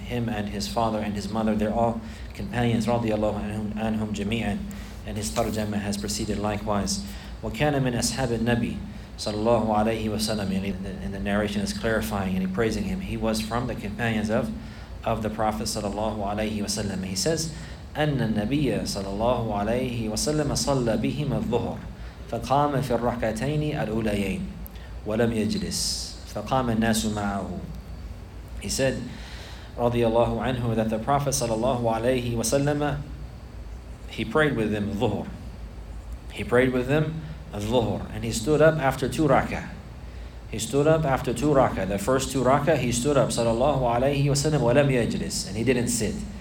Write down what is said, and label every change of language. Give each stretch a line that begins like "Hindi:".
English: Him and his father and his mother, they're all companions, radiallahu anhum jami'an. And his tarjama has proceeded likewise.
Arabic: Wa kana min ashab al-Nabi, sallallahu alayhi wa sallam.
English: And the narration is clarifying and praising him. He was from the companions of the Prophet, sallallahu alayhi wa sallam. He says,
Arabic: أن النبي صلى الله عليه وسلم صلى بهم الظهر فقام في الركعتين الأوليين ولم يجلس فقام الناس معه.
English: He said رضي الله عنه that the Prophet صلى الله عليه وسلم, he prayed with them الظهر, he prayed with them الظهر, and he stood up after two rak'ah. He stood up after two rak'ah. The first two rak'ah he stood up صلى الله عليه وسلم
Arabic: ولم يجلس,
English: and he didn't sit.